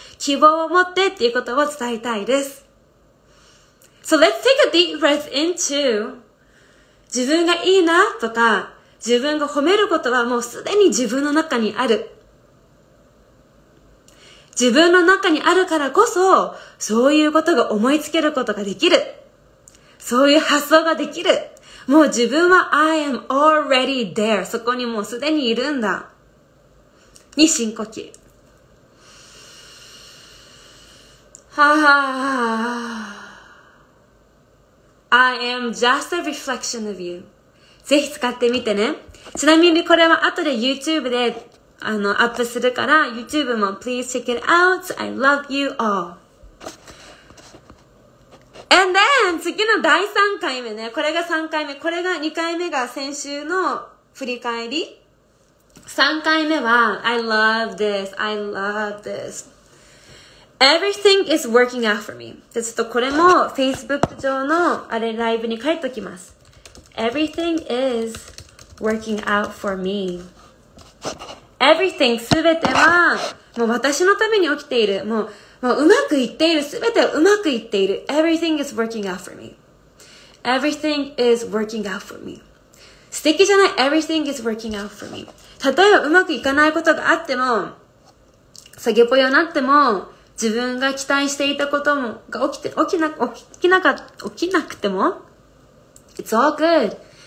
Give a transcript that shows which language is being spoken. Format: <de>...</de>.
<ja>希望を持ってっていうことを伝えたいです。</ja> <en>So let's take a deep breath into</en> <ja>自分がいいなとか、自分が褒めることはもうすでに自分の中にある。自分の中にあるからこそ、そういうことが思いつけることができる。そういう発想ができる。もう自分は</ja> <en>I am already there.</en> <ja>そこにもうすでにいるんだ。に深呼吸。はぁ、あ。</ja> <en>I am just a reflection of you.</en> <ja>ぜひ使ってみてね。ちなみにこれは後で YouTube でアップするから YouTube も</ja> <en>please check it out. I love you all. And then,</en> <ja>次の第3回目ね。これが3回目。これが2回目が先週の振り返り。 3回目は、</ja> <en>I love this. I love this. Everything is working out for me.</en> <ja>で、ちょっとこれも Facebook 上のあれライブに書いておきます。</ja> <en>Everything is working out for me.</en> <ja>Everything すべてはもう私のために起きている。もう、もううまくいっている。すべてうまくいっている。</ja> <en>Everything is working out for me. Everything is working out for me.</en> <ja>素敵じゃない</ja> <en>?Everything is working out for me.</en> <ja>例えばうまくいかないことがあっても、下げぽよになっても、自分が期待していたことも、が起きて、起きなくても、</ja> <en>It's all good.</en>